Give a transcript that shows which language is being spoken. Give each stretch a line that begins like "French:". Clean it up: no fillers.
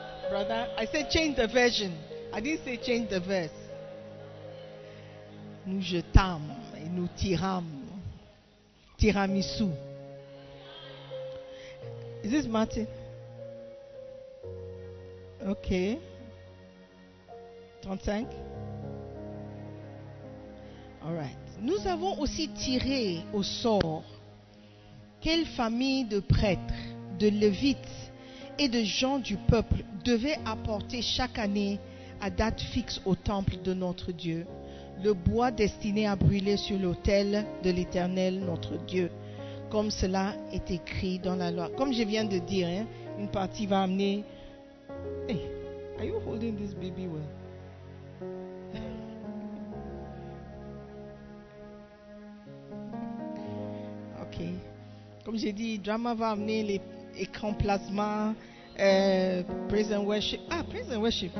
English: Brother, I said change the version. I didn't say change the verse.
French: Nous jetâmes et nous tirâmes. Tiramisu.
English: Is this Martin? Ok. 35. All right.
French: Nous avons aussi tiré au sort quelle famille de prêtres, de lévites et de gens du peuple devaient apporter chaque année à date fixe au temple de notre Dieu le bois destiné à brûler sur l'autel de l'Éternel, notre Dieu, comme cela est écrit dans la loi. Comme je viens de dire, hein, une partie va amener...
English: Hey, are you holding this baby well?
French: Ok. Comme j'ai dit, Drama va amener les écrans plasma,
English: praise and worship. Ah, praise and worship.